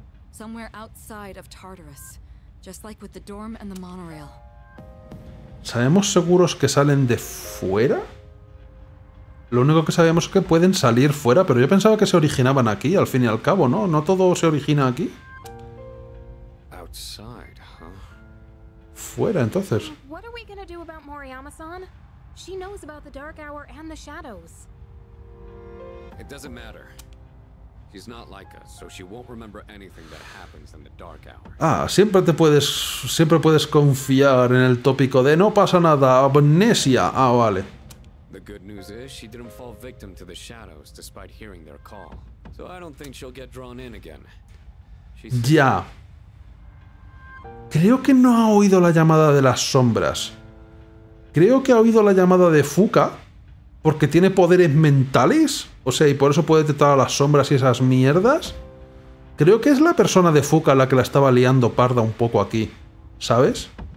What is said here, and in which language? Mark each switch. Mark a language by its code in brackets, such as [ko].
[en] Somewhere outside of Tartarus, just like with the dorm and the monorail. [es] ¿Sabemos seguros que salen de fuera? Lo único que sabemos es que pueden salir fuera, pero yo pensaba que se originaban aquí, al fin y al cabo, ¿no? No todo se origina aquí. [en] Outside, huh? [es] Fuera, entonces. [en] What are we going to do about Moriyama-san? She knows about the dark hour and the shadows. It doesn't matter. He's not like us, so she won't remember anything that happens in the dark hour. [es] Ah, siempre puedes confiar en el tópico de no pasa nada, amnesia. Ah, vale. [en] The good news is she didn't fall victim to the shadows despite hearing their call. So I don't think she'll get drawn in again. [es] Ya. Creo que no ha oído la llamada de las sombras. Creo que ha oído la llamada de Fuka. ¿Porque tiene poderes mentales? O sea, ¿y por eso puede detectar a las sombras y esas mierdas? Creo que es la persona de Fuka la que la estaba liando parda un poco aquí. ¿Sabes?